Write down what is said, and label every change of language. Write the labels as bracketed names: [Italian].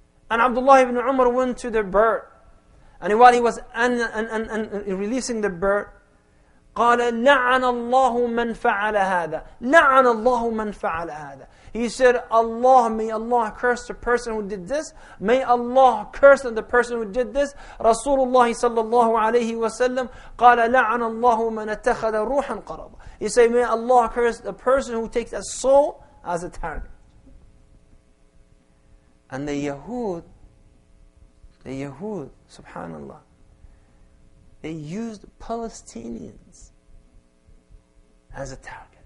[English] And Abdullah ibn Umar went to the bird. And while he was releasing the bird, [Arabic] قال لعن الله من فعل هذا. لعن الله من فعل هذا. [English] He said, Allah, may Allah curse the person who did this. May Allah curse the person who did this. [Arabic] Rasulullah sallallahu alayhi wa sallam قال لعن الله من اتخذ روحا قربا. [English] He said, may Allah curse the person who takes a soul as a target. And the Yahud, subhanAllah, they used Palestinians as a target.